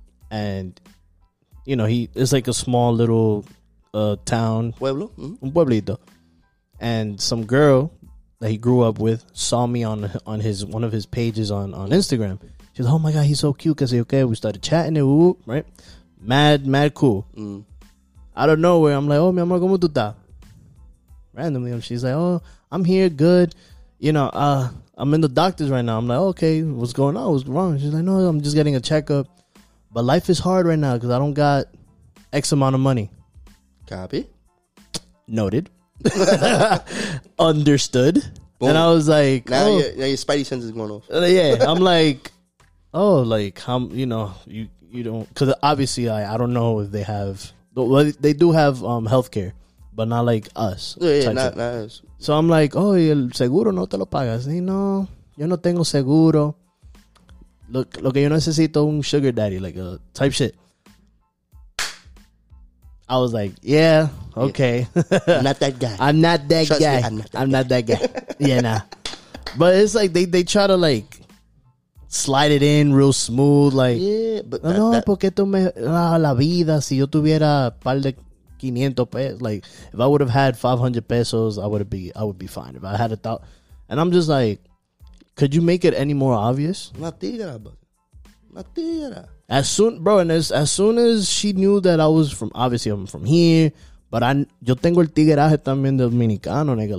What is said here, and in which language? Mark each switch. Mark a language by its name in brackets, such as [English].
[English] and you know it's like a small little town, [Spanish] pueblo, mm-hmm. un pueblito, [English] and some girl that he grew up with saw me on his one of his pages on Instagram. She's like, oh my God, he's so cute. Cause okay, we started chatting and whoop, right? Mad cool. Mm. Out of nowhere, I'm like, oh, [Spanish] mi amor, ¿cómo tú estás? [English] Randomly, she's like, oh, I'm here, good. You know, I'm in the doctor's right now. I'm like, okay, what's going on? What's wrong? She's like, no, I'm just getting a checkup. But life is hard right now because I don't got X amount of money. Copy. Noted. Understood. Boom. And I was like, now, your spidey sense is going off. Yeah, I'm like, oh, like, how, you know, you don't, because obviously I don't know if they have, well, they do have healthcare, but not like us. Yeah, not us. [Spanish] So I'm like, oh, el seguro no te lo pagas. Y no, yo no tengo seguro. [English] Look, [Spanish] lo que yo necesito un [English] sugar daddy, like a type shit. I was like, yeah, okay. I'm not that guy. Yeah, nah. But it's like, they try to like, slide it in real smooth, like, yeah, but [Spanish] no, porque tú me la vida si yo tuviera par de 500 pesos. [English] Like, if I would have had 500 pesos, I would be fine. If I had a thought, and I'm just like, could you make it any more obvious? [Spanish] Una tigra, bro. Una tigra. [English] As soon as she knew that I was from, obviously, I'm from here, but [Spanish] yo tengo el tigueraje también dominicano, [English] nigga.